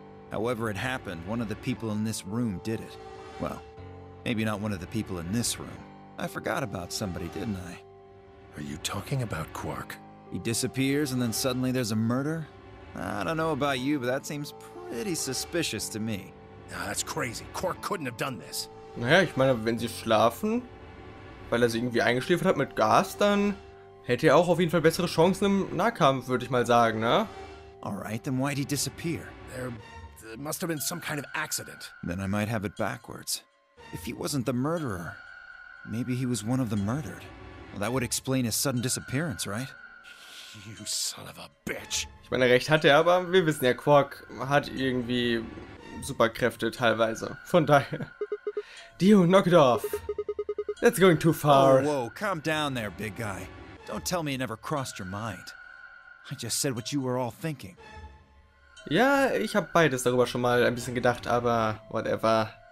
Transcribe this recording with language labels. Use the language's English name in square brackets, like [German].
[English] However it happened, one of the people in this room did it. Well, maybe not one of the people in this room. I forgot about somebody, didn't I? Are you talking about Quark? He disappears and then suddenly there's a murder? I don't know about you, but that seems pretty suspicious to me. Nah, that's crazy. Quark couldn't have done this. [German] Naja, ich meine, wenn sie schlafen, weil er sie irgendwie eingeschläfert hat mit Gas, dann hätte er auch auf jeden Fall bessere Chancen im Nahkampf, würde ich mal sagen, ne? [English] Alright, then why'd he disappear? There must have been some kind of accident. Then I might have it backwards. If he wasn't the murderer, maybe he was one of the murdered. That would explain his sudden disappearance, right? You son of a bitch. [German] Ich meine, recht hat er, aber wir wissen ja, Quark hat irgendwie Superkräfte teilweise. Von daher. [English] Dio, knock it off. That's going too far. Oh, whoa, calm down there, big guy. Don't tell me it never crossed your mind. I just said what you were all thinking. [German] Ja, ich habe beides darüber schon mal ein bisschen gedacht, aber whatever.